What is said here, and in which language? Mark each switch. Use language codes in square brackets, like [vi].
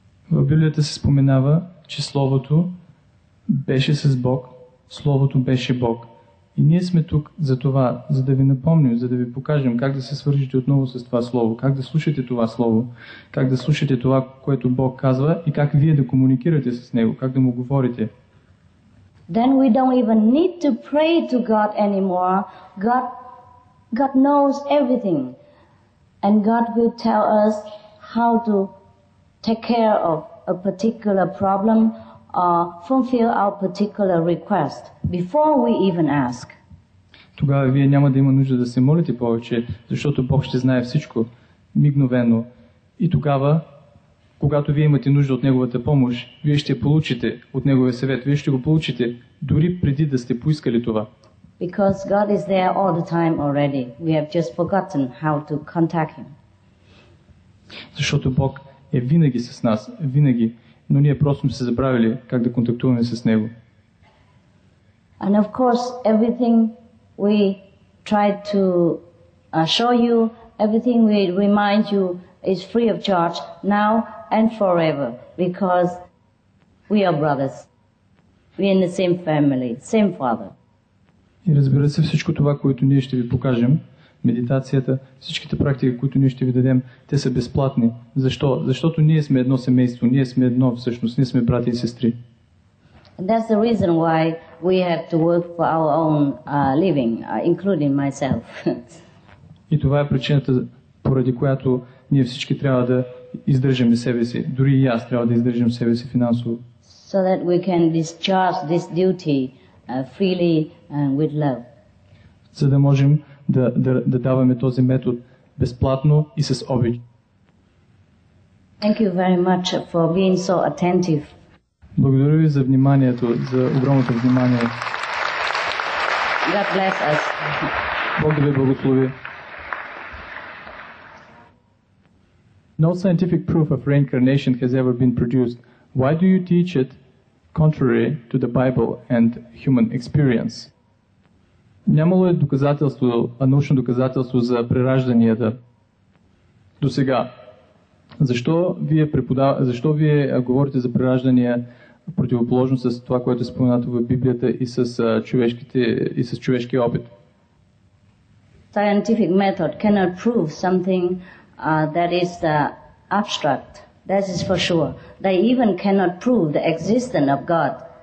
[bg] В Библията се споменава, че Словото беше с Бог, Словото беше Бог. И ние сме тук за това, за да ви напомним, за да ви покажем как да се свържете отново с това Слово, как да слушате това Слово, как да слушате това, което Бог казва и как вие да комуникирате с Него, как да Му говорите. [en] Then we don't even need to pray to God anymore. God knows everything. And God will tell us how to take care of a particular problem or fulfill our particular request before we even ask. [bg] Тогава вие няма да има нужда да се молите повече, защото Бог ще знае всичко мигновено. И тогава, когато вие имате нужда от Неговата помощ, вие ще получите от Неговия съвет. Вие ще го получите дори преди да сте поискали това. [en] Because God is there all the time already. We have just forgotten how to contact Him. [bg] Защото Бог е винаги с нас, винаги. Но ние просто сме се забравили как да контактуваме с Него. [en] And of course, everything we try to show you, everything we remind you is free of charge now and forever, because we are brothers. We are in the same family, same father. [bg] И разбира се, всичко това, което ние ще ви покажем, медитацията, всичките практики, които ние ще ви дадем, те са безплатни. Защо? Защото ние сме едно семейство, ние сме едно всъщност, ние сме брати и сестри. [en] That's the reason why we have to work for our own living, including myself. [bg] И това е причината, поради която ние всички трябва да издържим себе си, дори и аз трябва да издържим себе си финансово. [en] So that we can discharge this duty freely and with love. [bg] За да можем да даваме този метод безплатно и с обич. [en] Thank you very much for being so attentive. [bg] Благодаря ви за вниманието, за огромното внимание. [en] God bless us. [bg] Бог да ви благослови. [en] No scientific proof of reincarnation has ever been produced. Why do you teach it? contrary to the Bible and human experience. [bg] Нямало е доказателство, научно доказателство за преражданията до сега. Защо вие говорите за преражданията противоположно с това, което е споменато в Библията и с човешкия опит? [en] Scientific method cannot prove something that is abstract. That is for sure. They even cannot prove the existence of God.